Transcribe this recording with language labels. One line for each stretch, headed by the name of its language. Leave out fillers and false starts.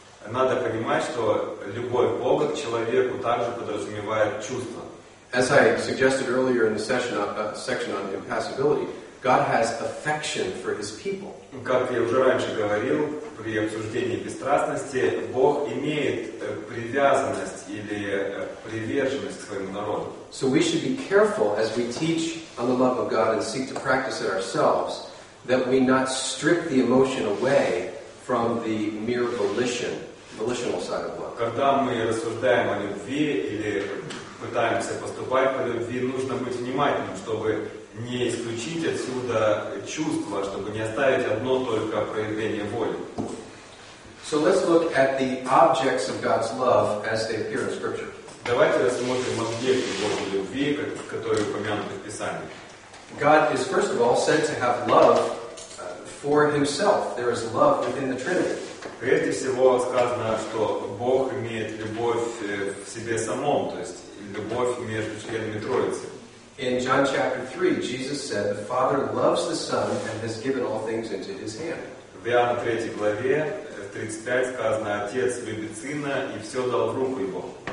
Russian: Надо понимать, что любовь Бога к человеку также подразумевает чувства.
English: As I suggested earlier in the session section on impassibility, God has affection for His people.
Russian: Как я уже раньше говорил при обсуждении бесстрастности, Бог имеет привязанность или приверженность к своему народу.
English: So we should be careful as we teach on the love of God and seek to practice it ourselves, that we not strip the emotion away from the mere volitional side of love.
Russian: Когда мы рассуждаем о любви или пытаемся поступать по любви, нужно быть внимательным, чтобы не исключить отсюда чувства, чтобы не оставить одно только проявление воли.
English: So let's look at the objects of God's love as they appear in Scripture.
Russian: Давайте рассмотрим объекты Божьей любви, которые упомянуты в Писании.
English: God is first of all said to have love for Himself. There is love within the Trinity.
Russian: Прежде всего сказано, что Бог имеет любовь в себе самом, то есть любовь между членами Троицы.
English: In John chapter 3, Jesus said, "The Father loves the Son and has given all things into His hand."
Russian: В Иоанна 3 главе, 35 сказано, Отец любит Сына и все дал в руку Его.